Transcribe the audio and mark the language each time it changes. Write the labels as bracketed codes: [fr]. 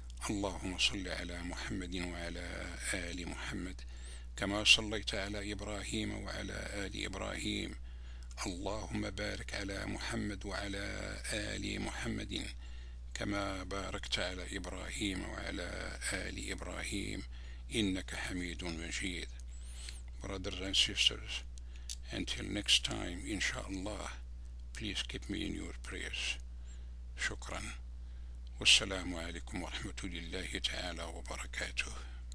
[ar] اللهم صل على محمد وعلى آل محمد، كما صليت على إبراهيم وعلى آل إبراهيم. اللهم بارك على محمد وعلى آل محمد، كما باركت على إبراهيم وعلى آل إبراهيم إنك حميد مجيد. [en] Brothers and sisters, until next time, inshallah, please keep me in your prayers. [ar] شكرا. والسلام عليكم ورحمة الله تعالى وبركاته.